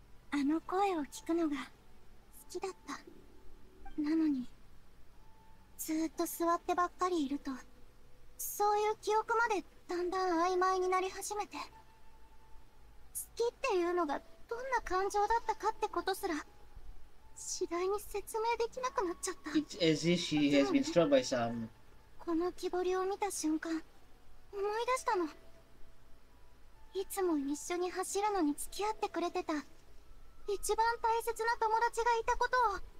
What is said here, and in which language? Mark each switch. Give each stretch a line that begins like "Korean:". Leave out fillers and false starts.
Japanese: あの声を聞くのが好きだった。なのにずっと座ってばっかりいると、そういう記憶までだんだん曖昧になり始めて、好きっていうのがどんな感情だったかってことすら次第に説明できなくなっちゃった。
English: It's as if she has been struck by some。
Japanese: この木彫りを見た瞬間思い出したの。いつも一緒に走るのに付き合ってくれてた一番大切な友達がいたことを。